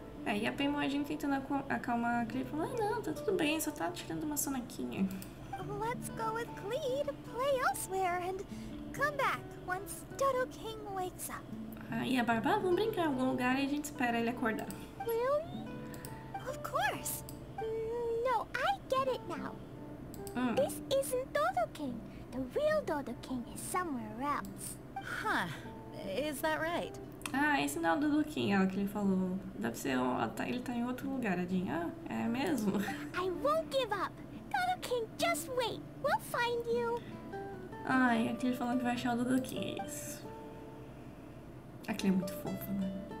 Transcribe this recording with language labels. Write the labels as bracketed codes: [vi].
[pt] É, e a Paimon tentando acalmar a Clee, falou, não, tá tudo bem, só tá tirando uma sonequinha. [en] Let's go with Clee to play elsewhere and come back once Dodo King wakes up. [pt] Ah, e a Barba, vamos brincar em algum lugar e a gente espera ele acordar. [en] Will? Of course. No, I get it now. This isn't Dodo King. The real Dodo King is somewhere else. Huh, is that right? [pt] Ah, esse não é o Dodo King, ela que ele falou. Deve ser, ele tá em outro lugar, Adin. Ah, é mesmo? [en] I won't give up. Dodo King, just wait. We'll find you. [pt] Ah, e aqui ele falou que vai achar o Dodo King, é isso. Aquele é muito fofo, né?